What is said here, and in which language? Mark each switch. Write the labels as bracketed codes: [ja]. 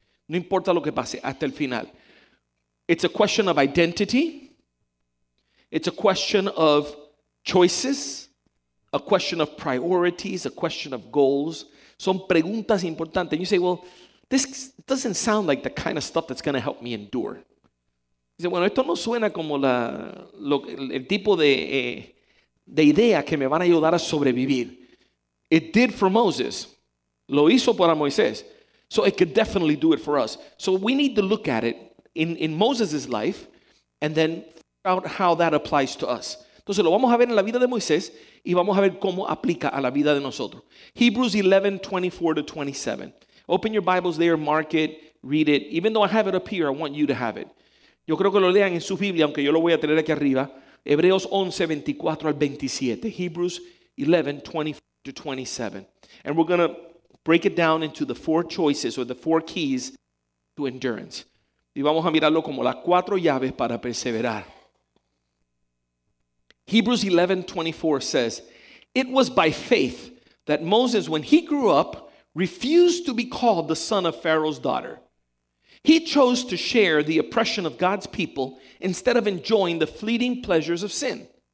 [es] No importa lo que pase, hasta el final. [en] It's a question of identity. It's a question of choices. A question of priorities. A question of goals. [es] Son preguntas importantes. [en] And you say, well, this doesn't sound like the kind of stuff that's going to help me endure. [es] Dice, bueno, esto no suena como el tipo de idea que me van a ayudar a sobrevivir. [en] It did for Moses. [es] Lo hizo para Moisés. [en] So it could definitely do it for us. So we need to look at it in Moses' life and then figure out how that applies to us. [es] Entonces lo vamos a ver en la vida de Moisés y vamos a ver cómo aplica a la vida de nosotros. [en] Hebrews 11, 24 to 27. Open your Bibles there, mark it, read it. Even though I have it up here, I want you to have it. [es] Yo creo que lo lean en su Biblia, aunque yo lo voy a tener aquí arriba. Hebreos 11, 24 al 27. [en] Hebrews 11, 24 to 27. And we're going to break it down into the 4 choices or the 4 keys to endurance. [es] Y vamos a mirarlo como las 4 llaves para perseverar. [en] Hebrews 11, 24 says, "It was by faith that Moses, when he grew up, refused to be called the son of Pharaoh's daughter. He chose to share the oppression of God's people instead of enjoying the fleeting pleasures of sin.